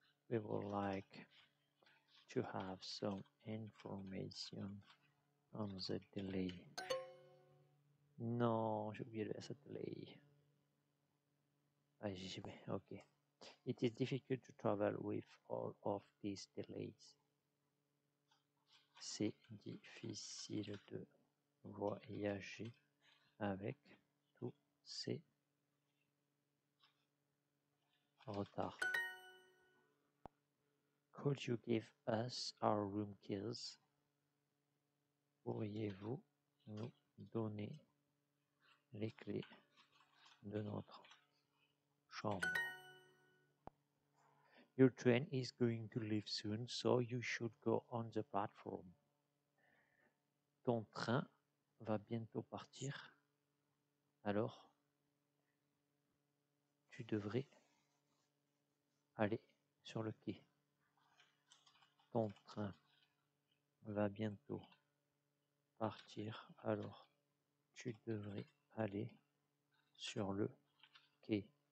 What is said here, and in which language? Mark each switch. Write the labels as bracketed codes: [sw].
[en] We would like to have some information on the delay. [fr] Non, j'ai oublié le satellite. Ah, j'y vais, ok. [en] It is difficult to travel with all of these delays. [fr] C'est difficile de voyager avec tous ces retards. [en] Could you give us our room keys? [fr] Pourriez-vous nous donner les clés de notre chambre? [en] Your train is going to leave soon, so you should go on the platform. [fr] Ton train va bientôt partir, alors tu devrais aller sur le quai. Ton train va bientôt partir, alors tu devrais aller sur le quai.